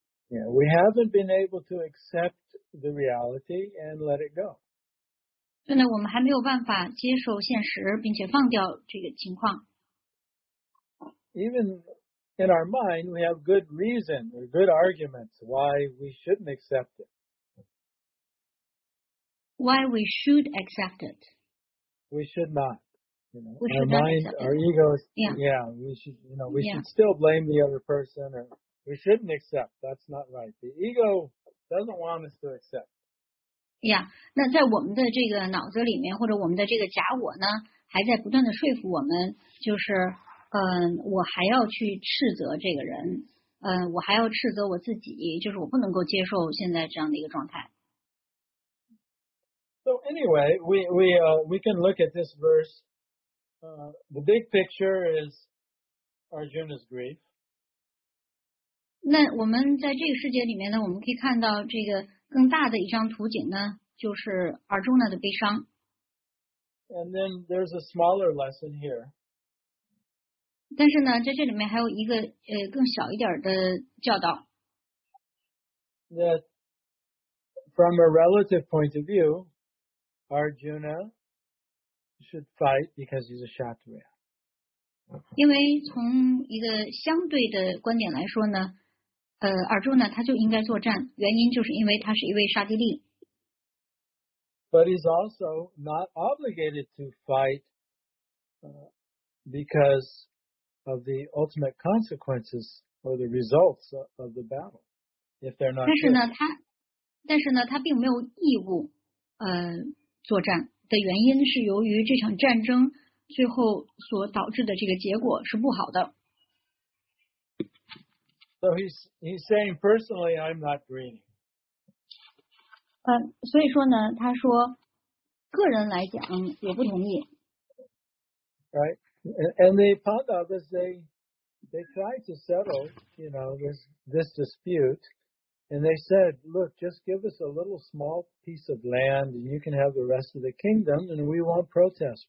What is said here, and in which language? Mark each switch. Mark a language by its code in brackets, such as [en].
[en] Yeah, we haven't been able to accept the reality and let it go. [zh] 对呢，我们还没有办法接受现实并且放掉这个情况。 [en] Even in our mind, we have good reason or good arguments why we shouldn't accept it. Why we should accept it? We should not. You know, we our mind, our ego is. Yeah. We should. You know, we should still blame the other person, or we shouldn't accept. That's not right. The ego doesn't want us to accept. Yeah. [zh] 那在我们的这个脑子里面，或者我们的这个假我呢，还在不断的说服我们，就是我还要去斥责这个人，我还要斥责我自己，就是我不能够接受现在这样的一个状态。 [en] So anyway, we can look at this verse. The big picture is Arjuna's grief. [zh] 那我们在这个世界里面呢，我们可以看到这个更大的一张图景呢，就是 Arjuna 的悲伤。 [en] And then there's a smaller lesson here. [zh] 但是呢，在这里面还有一个更小一点的教导。 [en] That from a relative point of view, Arjuna should fight because he's a Kshatriya. [zh] 因为从一个相对的观点来说呢，Arjuna 他就应该作战，原因就是因为他是一位沙帝利。 [en] But he's also not obligated to fight because of the ultimate consequences or the results of the battle. If they're not. [zh] 但是呢，他并没有义务作战的原因是由于这场战争最后所导致的这个结果是不好的。 [en] So he's saying personally, I'm not greedy. [zh] 所以说呢，他说个人来讲也不同意。 [en] Right, and the Pandavas they tried to settle, you know, this dispute, and they said, look, just give us a little small piece of land, and you can have the rest of the kingdom, and we won't protest.